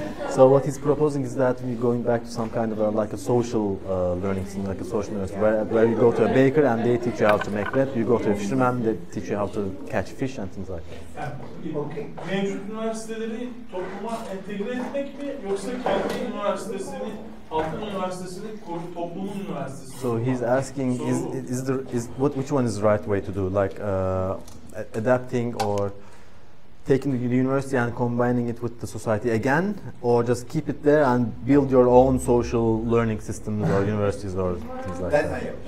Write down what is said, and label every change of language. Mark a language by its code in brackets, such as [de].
[en] So what he's proposing is that we're going back to some kind of like a social learning, like a social university, where you go to a baker and they teach you how to make bread, you go to a fisherman, they teach you how to catch fish and things like that. [tr] Yani, mevcut üniversiteleri topluma entegre etmek mi, yoksa kendi üniversitesini, halkın üniversitesini, toplumun üniversitesini? [en] So he's asking, which one is the right way to do, like adapting or taking the university and combining it with the society again, or just keep it there and build your own social learning systems or universities or things like that.